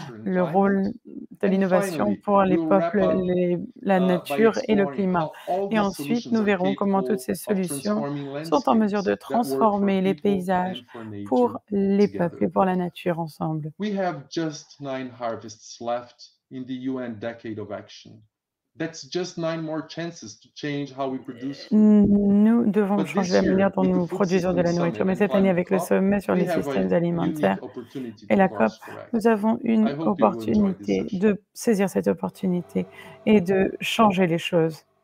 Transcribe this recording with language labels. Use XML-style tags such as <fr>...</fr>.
<fr>Le rôle de l'innovation pour les peuples, la nature et le climat. Et ensuite, nous verrons comment toutes ces solutions sont en mesure de transformer les paysages pour les peuples et pour la nature ensemble. Nous avons juste</fr> <en>9 harvests left in the UN Decade of Action. That's just 9 more chances to change how we produce food.</en> <fr>Nous devons changer la manière dont nous produisons de la nourriture. Mais cette année, avec le sommet sur les systèmes alimentaires et la COP, nous avons une opportunité de saisir cette opportunité et de changer les choses.</fr>